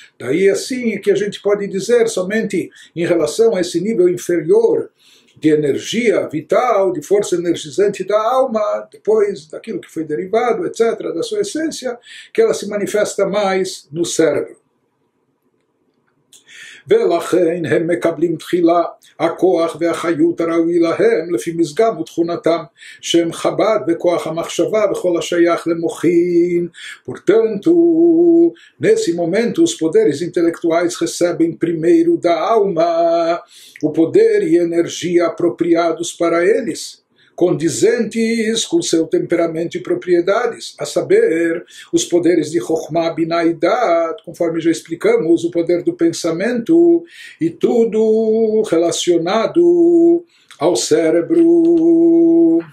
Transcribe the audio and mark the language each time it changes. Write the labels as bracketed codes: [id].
[pt] Daí, assim, que a gente pode dizer, somente em relação a esse nível inferior de energia vital, de força energizante da alma, depois daquilo que foi derivado, etc., da sua essência, que ela se manifesta mais no cérebro. [he] ולכן הם מקבלים תחילה הכוח והחיות הראוי להם לפי מזגם ותכונתם שהם חב"ד וכוח המחשבה וכל השייך למוחין. [pt] Portanto, nesse momento os poderes intelectuais recebem primeiro da alma o poder e energia apropriados para eles, condizentes com seu temperamento e propriedades, a saber, os poderes de Chokhmah, Binah e Daat, conforme já explicamos, o poder do pensamento, e tudo relacionado ao cérebro.